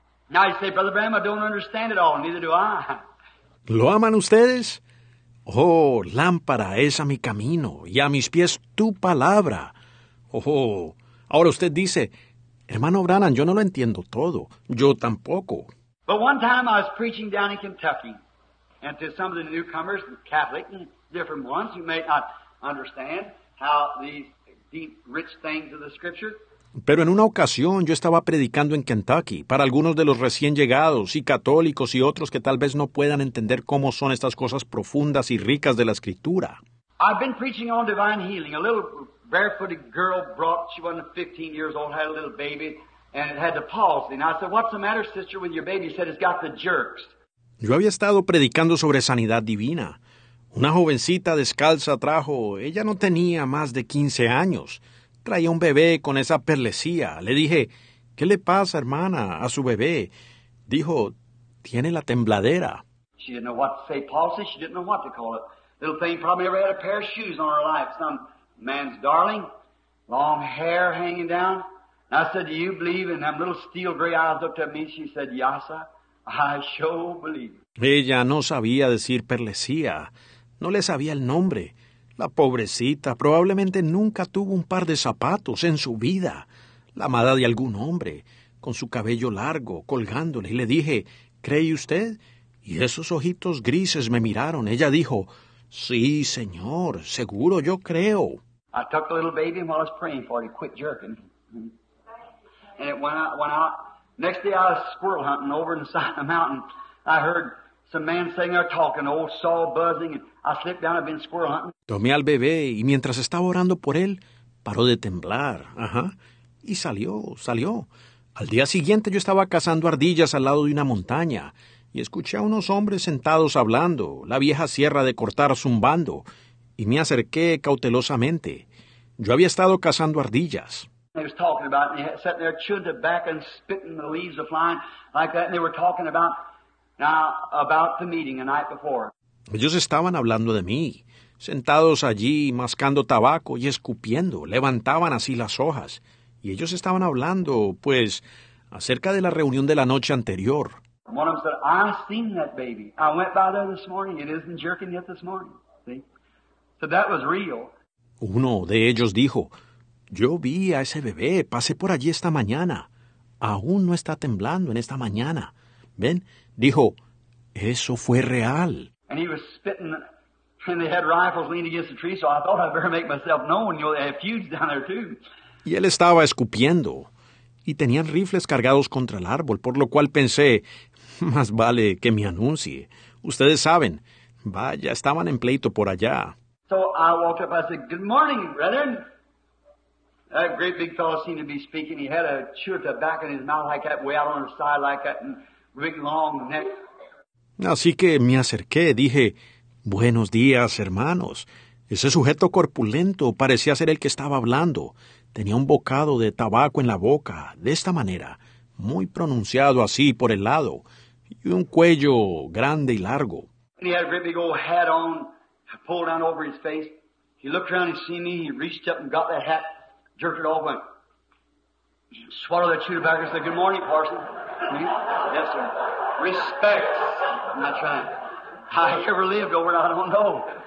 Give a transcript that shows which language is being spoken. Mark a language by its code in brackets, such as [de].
[en] Now you say, Brother Bram, I don't understand it all, neither do I. [es] ¿Lo aman ustedes? Oh, lámpara es a mi camino y a mis pies tu palabra. Oh, ahora usted dice, hermano Branham, yo no lo entiendo todo. Yo tampoco. [en] But one time I was preaching down in Kentucky, and to some of the newcomers, the Catholic and different ones, you may not understand how these deep, rich things of the Scripture. [es] Pero en una ocasión yo estaba predicando en Kentucky para algunos de los recién llegados y católicos y otros que tal vez no puedan entender cómo son estas cosas profundas y ricas de la Escritura. [en] I've been preaching on divine healing. A little barefooted girl brought, she wasn't 15 years old, had a little baby, and it had the palsy. And I said, what's the matter, sister, when your baby said it's got the jerks? [es] Yo había estado predicando sobre sanidad divina. Una jovencita descalza trajo, ella no tenía más de 15 años. Traía un bebé con esa perlesía. Le dije, ¿qué le pasa, hermana, a su bebé? Dijo, tiene la tembladera. [en] She didn't know what to say, palsy. She didn't know what to call it. Little thing probably ever had a pair of shoes on her life. Some man's darling, long hair hanging down. And I said, do you believe in them little steel gray eyes looked at me? She said, yasa, I sure believe. [es] Ella no sabía decir perlesía. No le sabía el nombre. La pobrecita probablemente nunca tuvo un par de zapatos en su vida. La amada de algún hombre, con su cabello largo, colgándole. Y le dije, ¿cree usted? Y esos ojitos grises me miraron. Ella dijo, sí, señor, seguro yo creo. [en] I took the little baby and while I was praying for it, he quit jerking. And it went out. Next day I was squirrel hunting over in the side of the mountain. I heard some man sitting there talking, old saw buzzing, and I slipped down and been squirrel hunting. [es] Tomé al bebé y mientras estaba orando por él, paró de temblar. Ajá. Y salió. Al día siguiente yo estaba cazando ardillas al lado de una montaña y escuché a unos hombres sentados hablando, la vieja sierra de cortar zumbando, y me acerqué cautelosamente. Yo había estado cazando ardillas. [en] They were talking about, and they had sitting there chewing tobacco and spitting the leaves of flying like that, and they were talking about, now, about the meeting the night before. [es] Ellos estaban hablando de mí, sentados allí, mascando tabaco y escupiendo, levantaban así las hojas. Y ellos estaban hablando, pues, acerca de la reunión de la noche anterior. [en] One of them said, I've seen that baby. I went by there this morning. It isn't jerking yet this morning. See? So that was real. [es] Uno de ellos dijo, yo vi a ese bebé. Pasé por allí esta mañana. Aún no está temblando en esta mañana. ¿Ven? Dijo, eso fue real. [en] And he was spitting. And they had rifles leaning against the tree, so I thought I'd better make myself known. You know, they have feuds down there too. [es] Y él estaba escupiendo, y tenían rifles cargados contra el árbol, por lo cual pensé, más vale que me anuncie. Ustedes saben, vaya, estaban en pleito por allá. [en] So I walked up, I said, good morning, brethren. That great big fellow seemed to be speaking. He had a chew of tobacco in his mouth like that, way out on the side like that, and big long neck. [es] Así que me acerqué, dije, buenos días, hermanos. Ese sujeto corpulento parecía ser el que estaba hablando. Tenía un bocado de tabaco en la boca, de esta manera, muy pronunciado así por el lado, y un cuello grande y largo. [en] And he had a great big old hat on, pulled down over his face. He looked around and seen me, he reached up and got that hat, jerked it off, and swallowed that chew tobacco and said, good morning, parson. Yes, sir. Respect. That's right. How he ever lived over, I don't know.